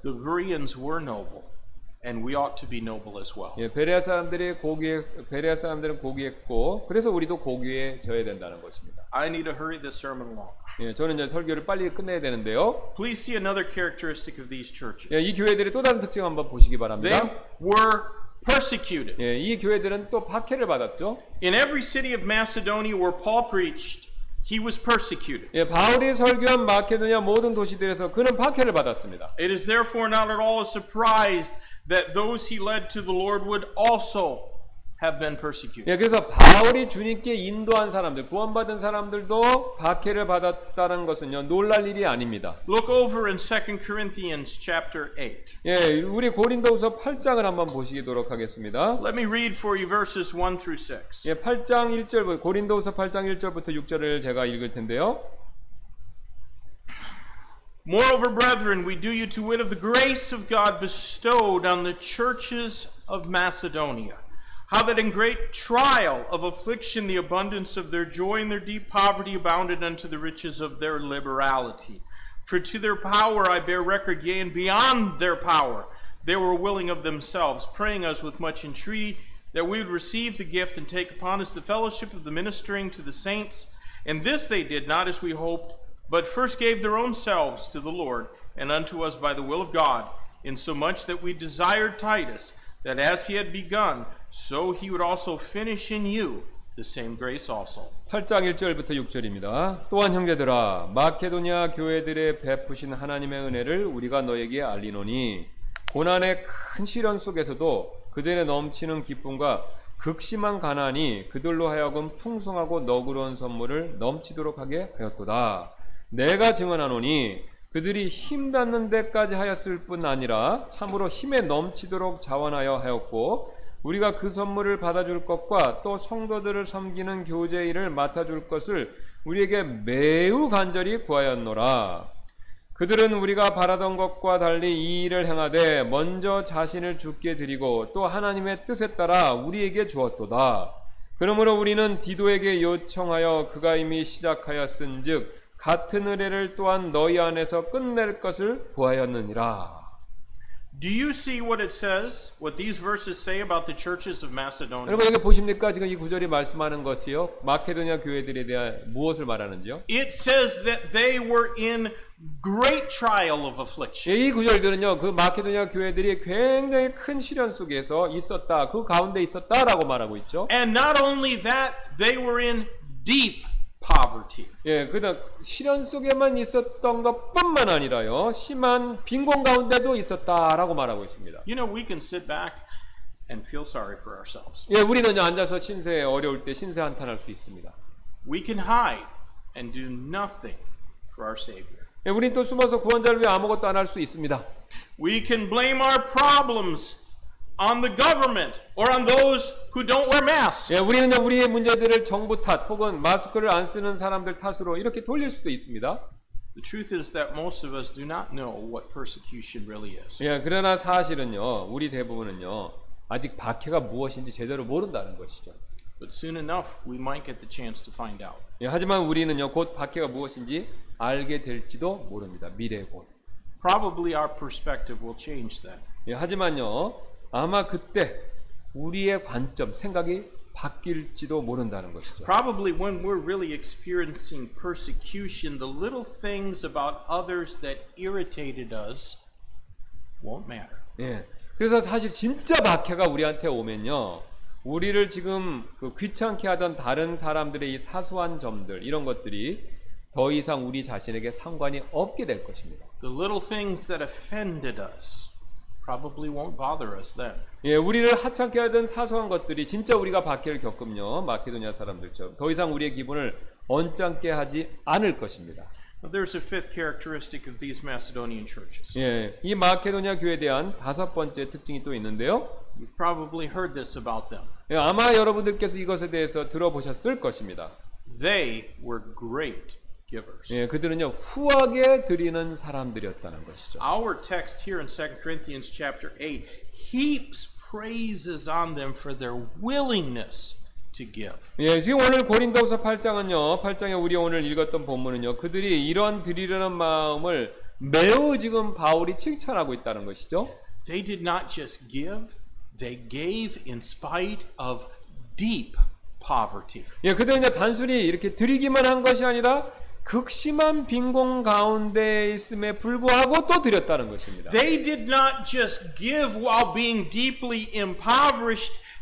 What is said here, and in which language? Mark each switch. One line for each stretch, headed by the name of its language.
English: The Bereans were noble, and we ought to be noble as well.
Korean: 예, 베레아 사람들은 고귀했고, 그래서 우리도 고귀해져야 된다는 것입니다.
English: I need to hurry this sermon along.
Korean: 예, 저는 이제 설교를 빨리 끝내야 되는데요.
English: Please see another characteristic of these churches.
Korean: 예, 이 교회들의 또 다른 특징 한번 보시기 바랍니다.
English: They were persecuted.
Korean: 예, 이 교회들은 또 박해를 받았죠.
English: In every city of Macedonia where Paul preached, he was persecuted.
Korean: 예, 바울이 설교한 마케도니아 모든 도시들에서 그는 박해를 받았습니다.
English: It is therefore not at all a surprise that those he led to the Lord would also have been persecuted.
Korean: 예, 그래서 바울이 주님께 인도한 사람들, 구원받은 사람들도 박해를 받았다는 것은요, 놀랄 일이 아닙니다.
English: Look over in 2 Corinthians chapter 8.
Korean: 예, 우리 고린도후서 8장을 한번 보시도록 하겠습니다.
English: Let me read for you verses 1 through 6.
Korean: 예, 8장 1절부터 고린도후서 8장 1절부터 6절을 제가 읽을 텐데요.
English: Moreover, brethren, we do you to wit of the grace of God bestowed on the churches of Macedonia. How that in great trial of affliction the abundance of their joy and their deep poverty abounded unto the riches of their liberality. For to their power I bear record, yea, and beyond their power they were willing of themselves, praying us with much entreaty that we would receive the gift and take upon us the fellowship of the ministering to the saints. And this they did not as we hoped, but first gave their own selves to the Lord and unto us by the will of God, insomuch that we desired Titus that as he had begun, so he would also finish in you the same grace also.
Korean: 8장 1절부터 6절입니다. 또한 형제들아, 마케도니아 교회들에 베푸신 하나님의 은혜를 우리가 너에게 알리노니 고난의 큰 시련 속에서도 그들의 넘치는 기쁨과 극심한 가난이 그들로 하여금 풍성하고 너그러운 선물을 넘치도록 하게 하였도다. 내가 증언하노니 그들이 힘 닿는 데까지 하였을 뿐 아니라 참으로 힘에 넘치도록 자원하여 하였고 우리가 그 선물을 받아줄 것과 또 성도들을 섬기는 교제 일을 맡아줄 것을 우리에게 매우 간절히 구하였노라. 그들은 우리가 바라던 것과 달리 이 일을 행하되 먼저 자신을 주께 드리고 또 하나님의 뜻에 따라 우리에게 주었도다. 그러므로 우리는 디도에게 요청하여 그가 이미 시작하였은 즉 같은 의뢰를 또한 너희 안에서 끝낼 것을 구하였느니라.
English: Do you see what it says? What these verses say about the churches of Macedonia?
Korean: 여러분 이거 보십니까? 지금 이 구절이 말씀하는 것이요. 마케도니아 교회들에 대한 무엇을 말하는지요?
English: It says that they were in great trial of affliction.
Korean: 이 구절들은요. 그 마케도니아 교회들이 굉장히 큰 시련 속에서 있었다. 그 가운데 있었다라고 말하고 있죠.
English: And not only that, they were in deep poverty.
Korean: 예, 그냥 시련 속에만 있었던 것뿐만 아니라요. 심한 빈곤 가운데도 있었다라고 말하고 있습니다.
English: You know, we can sit back and feel sorry for ourselves.
Korean: 예, 우리는요, 앉아서 신세 어려울 때 신세 한탄할 수 있습니다.
English: We can hide and do nothing for our savior.
Korean: 예, 우리는 또 숨어서 구원자를 위해 아무것도 안 할 수 있습니다.
English: We can blame our problems on the government or on those who don't wear masks.
Korean: 예, 우리는 우리의 문제들을 정부 탓 혹은 마스크를 안 쓰는 사람들 탓으로 이렇게 돌릴 수도 있습니다.
English: The truth is that most of us do not know what persecution really is.
Korean: 예, 그러나 사실은요. 우리 대부분은요. 아직 박해가 무엇인지 제대로 모른다는 것이죠.
English: But soon enough we might get the chance to find out.
Korean: 예, 하지만 우리는요. 곧 박해가 무엇인지 알게 될지도 모릅니다. 미래에 곧.
English: Probably our perspective will change then.
Korean: 예, 하지만요. 아마 그때 우리의 관점, 생각이 바뀔지도 모른다는 것이죠.
English: Probably when we're really experiencing persecution, the little things about others that irritated us won't matter.
Korean: 예. 그래서 사실 진짜 박해가 우리한테 오면요. 우리를 지금 그 귀찮게 하던 다른 사람들의 이 사소한 점들 이런 것들이 더 이상 우리 자신에게 상관이 없게 될 것입니다.
English: The little things that offended us probably won't bother us then.
Korean: 예, 우리를 하찮게 하던 사소한 것들이 진짜 우리가 박해를 겪으면요, 마케도니아 사람들처럼 더 이상 우리의 기분을 언짢게 하지 않을 것입니다.
English: There's a fifth characteristic of these Macedonian churches.
Korean: 예, 이 마케도니아 교회에 대한 다섯 번째 특징이 또 있는데요.
English: You've probably heard this about them.
Korean: 예, 아마 여러분들께서 이것에 대해서 들어보셨을 것입니다.
English: They were great givers.
Korean: 예, 그들은요 후하게 드리는 사람들이었다는 것이죠.
English: Our text here in 2 Corinthians chapter 8 heaps praises on them for their willingness to give.
Korean: 예, 지금 오늘 고린도서 8장은요, 8장에 우리 오늘 읽었던 본문은요, 그들이 이런 드리려는 마음을 매우 지금 바울이 칭찬하고 있다는 것이죠.
English: They did not just give; they gave in spite of deep poverty.
Korean: 예, 그들은 이제 단순히 이렇게 드리기만 한 것이 아니라 극심한 빈곤 가운데 있음에 불구하고 또 드렸다는 것입니다.
English: They did not just give while being deeply impoverished.